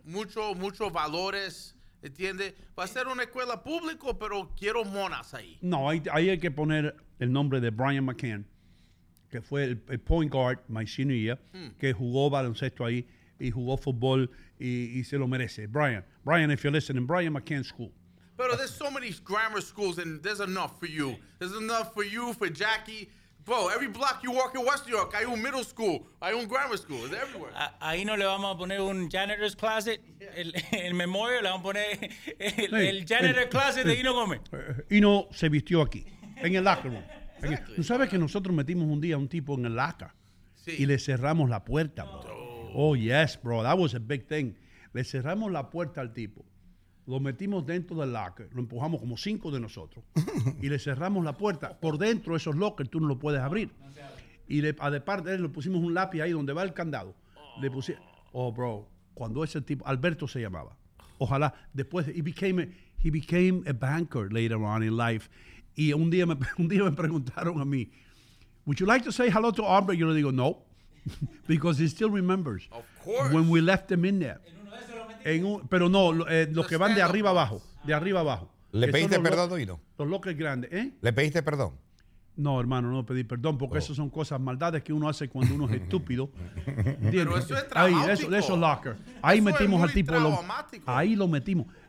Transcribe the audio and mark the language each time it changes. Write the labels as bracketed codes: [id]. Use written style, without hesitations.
[es] Muchos valores, ¿Entiendes? Va a ser una escuela pública, pero quiero monas ahí. No, ahí hay que poner el nombre de Brian McCann, que fue el point guard [en] my senior year, [es] que jugó baloncesto ahí y jugó fútbol y se lo merece. [en] Brian, if you're listening, Brian McCann School. Pero there's so many grammar schools and there's enough for you. There's enough for you, for Jackie. Bro, every block you walk in West New York, [es] hay un middle school, hay un grammar school, [en] it's everywhere. [es] Ahí no le vamos a poner un janitor's closet, el memorial, le vamos a poner el janitor's closet de Ino Gomez. Ino se vistió aquí, en el locker room. Exactly. ¿No sabes que nosotros metimos un día a un tipo en el locker? Sí. Y le cerramos la puerta, bro. [en] Oh, yes, bro, that was a big thing. [es] Le cerramos la puerta al tipo, lo metimos dentro del locker, lo empujamos como cinco de nosotros, y le cerramos la puerta. Por dentro de esos lockers tú no lo puedes abrir. Y de parte de él le pusimos un lápiz ahí donde va el candado. Le pusimos, oh, bro, cuando ese tipo, Alberto se llamaba. Ojalá, después, [en] he became a banker later on in life. [es] Y un día me preguntaron a mí, [en] would you like to say hello to Aubrey? [es] Yo le digo, no, [en] because he still remembers. Of course. When we left him in there. [es] Pero no, los que van de arriba abajo, de arriba abajo. ¿Le pediste perdón, Ino? Los lockers grandes, ¿eh? ¿Le pediste perdón? No, hermano, no pedí perdón, porque esas son cosas, maldades que uno hace cuando uno es estúpido. Pero eso es traumático. Ahí, esos lockers. Ahí metimos al tipo. Ahí lo metimos.